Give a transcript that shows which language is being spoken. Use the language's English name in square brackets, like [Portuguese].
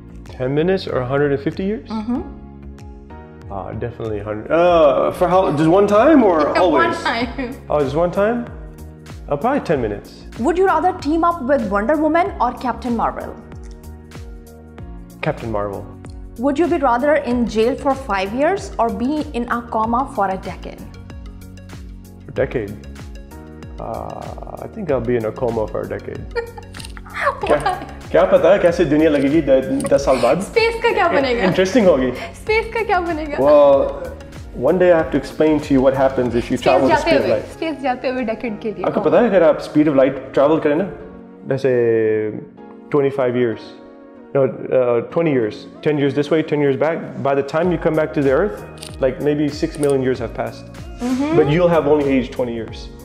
[English] 10 minutes [Hindi] और [English] 150 years? Definitely 100. For how? Just one time [Hindi] और [English] Always? Just one time. About 10 minutes. Would you rather team up with Wonder Woman [Hindi] और [English] Captain Marvel? Captain Marvel. Would you be rather in jail for 5 years or be in a coma for a decade? A decade? I think I'll be in a coma for a decade. [Hindi] क्या पता कैसे दुनिया लगेगी 10 साल बाद? Space का क्या बनेगा? Interesting होगी. Space का क्या बनेगा? [English] Well, one day I have to explain to you what happens if you travel the speed of light. [Hindi] Space जाते हुए decade के लिए. आपको पता है अगर आप speed of light travel करें ना, जैसे 25 years. [English] 20 years, 10 years this way, 10 years back, by the time you come back to the Earth, like maybe 6 million years have passed. Mm-hmm. But you'll have only aged 20 years.